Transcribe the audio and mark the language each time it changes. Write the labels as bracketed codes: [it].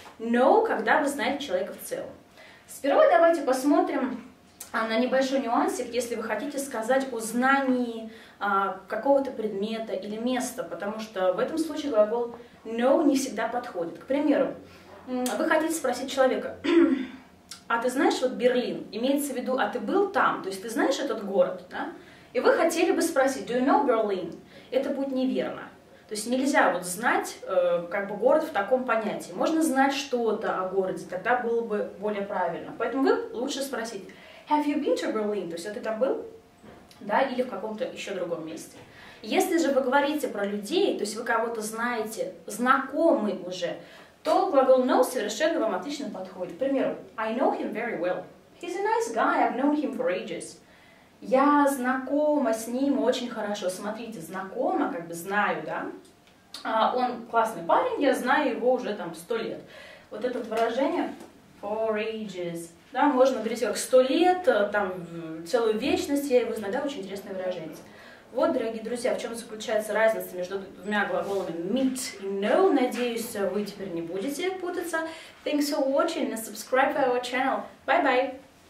[ru] Know, когда вы знаете человека в целом. Сперва давайте посмотрим на небольшой нюансик, если вы хотите сказать о знании какого-то предмета или места, потому что в этом случае глагол know не всегда подходит. К примеру, вы хотите спросить человека, а ты знаешь вот Берлин? Имеется в виду, а ты был там? То есть ты знаешь этот город, да? И вы хотели бы спросить, [en] do you know Berlin? [ru] Это будет неверно. То есть нельзя вот знать как бы город в таком понятии. Можно знать что-то о городе, тогда было бы более правильно. Поэтому вы лучше спросить, [en] have you been to Berlin? [ru] То есть, а ты там был? Да, или в каком-то еще другом месте. Если же вы говорите про людей, то есть вы кого-то знаете, знакомы уже, то глагол know совершенно вам отлично подходит. К примеру, [en] I know him very well. He's a nice guy, I've known him for ages. [ru] Я знакома с ним очень хорошо. Смотрите, знакома, как бы знаю, да? Он классный парень, я знаю его уже там 100 лет. Вот это выражение for ages. Да, можно говорить, как 100 лет, там, целую вечность, я его знаю, да, очень интересное выражение. Вот, дорогие друзья, в чем заключается разница между двумя глаголами meet и know. Надеюсь, вы теперь не будете путаться. [en] Thanks for watching and subscribe to our channel. Bye-bye!